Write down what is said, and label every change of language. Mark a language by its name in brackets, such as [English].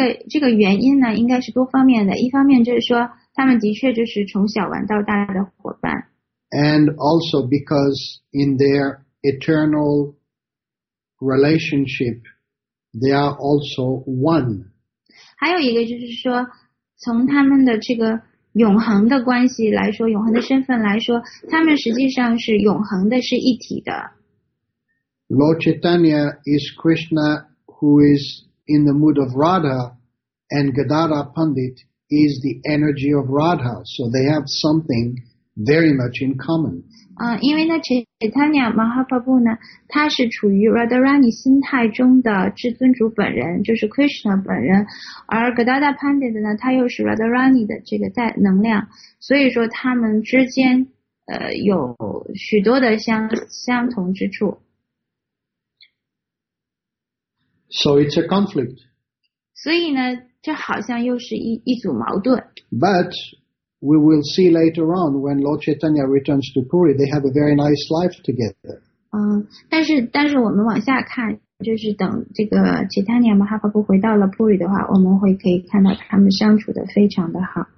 [Chinese] 这个原因呢，应该是多方面的。一方面就是说，他们的确就是从小玩到大的伙伴。 [English] And also because in their eternal relationship, they are also one. [Chinese] 还有一个就是说，从他们的这个永恒的关系来说，永恒的身份来说，他们实际上是永恒的，是一体的。 [English] Lord Chaitanya is Krishna who is in the mood of Radha, and Godada Pandit is the energy of Radha. So they have something very much in common. [Chinese] 因为呢 Chaitanya Mahaprabhu 呢，他是处于 Radharani 心态中的至尊主本人，就是 Krishna 本人，而 Godada Pandit 呢，他又是 Radharani 的这个在能量，所以说他们之间有许多的相同之处。 [English] So it's a conflict. [Chinese] 所以呢，这好像又是一组矛盾。 [English] But we will see later on when Lord Chaitanya returns to Puri, they have a very nice life together. [Chinese] 但是我们往下看，就是等这个其他年马哈巴布回到了布里的话，我们会可以看到他们相处的非常的好。